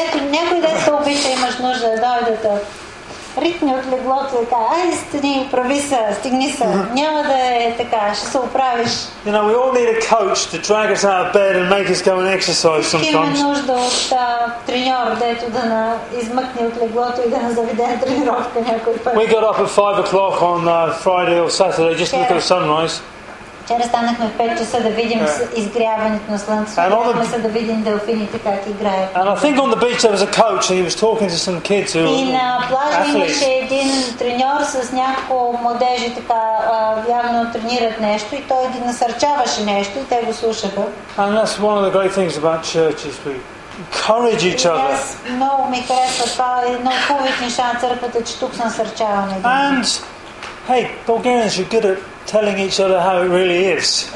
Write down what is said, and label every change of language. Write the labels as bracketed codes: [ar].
[bg] Някой ден се обича, имаш нужда да дойде да ритни от леглото и кажа, айде стани, прави се, стигни се, няма да е така, ще се оправиш. [en] You know, we all need a coach to drag us out of bed and make us go and exercise sometimes. [bg] Имаме нужда от треньор, дето да на измъкне от леглото и да на заведе на тренировка някой път. [en] We got up at 5 o'clock on Friday or Saturday just to look at the sunrise. [bg] Вчера станахме в 5 часа да видим изгряването на слънцето. Трябва се да видим делфините как играят. [en] And I think on the beach there was a coach and he was talking to some kids who. [bg] И на плажа имаше един треньор с някакво младежи така явно тренират нещо и той ги насърчаваше нещо и те го слушаха. [en] And that's one of the great things about church is we encourage each other. [bg] Много ми харесва това, едно от хубавите неща на църквата, че тук се насърчаваме. [en] And hey, Bulgarians, you're good at telling each other how it really is.